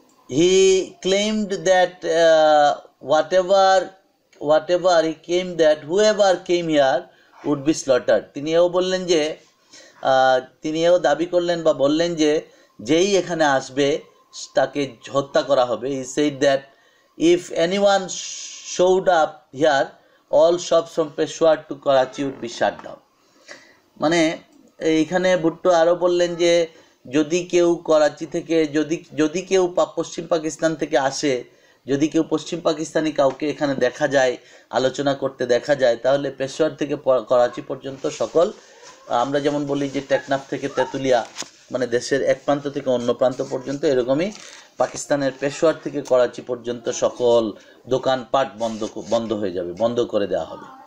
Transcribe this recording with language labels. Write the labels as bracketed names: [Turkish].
[English] he claimed that whatever he came that whoever came here would be slaughter, [Bangla] তিনি এও বললেন যে, তিনি এও দাবি করলেন বা বললেন যে যেই এখানে আসবে তাকে হত্যা করা হবে। [English] He said that If anyone showed up here, all shops from Peshawar to Karachi would be shut down. [Bangla] মানে এইখানে ভুট্টো আরও বললেন যে যদি কেউ করাচি থেকে, যদি কেউ পশ্চিম পাকিস্তান থেকে আসে, যদি কেউ পশ্চিম পাকিস্তানি কাউকে এখানে দেখা যায়, আলোচনা করতে দেখা যায়, তাহলে পেশোয়ার থেকে করাচি পর্যন্ত সকল, আমরা যেমন বলি যে টেকনাফ থেকে তেঁতুলিয়া, মানে দেশের এক প্রান্ত থেকে অন্য প্রান্ত পর্যন্ত, এরকমই পাকিস্তানের পেশোয়ার থেকে করাচি পর্যন্ত সকল দোকানপাট বন্ধ বন্ধ হয়ে যাবে, বন্ধ করে দেওয়া হবে।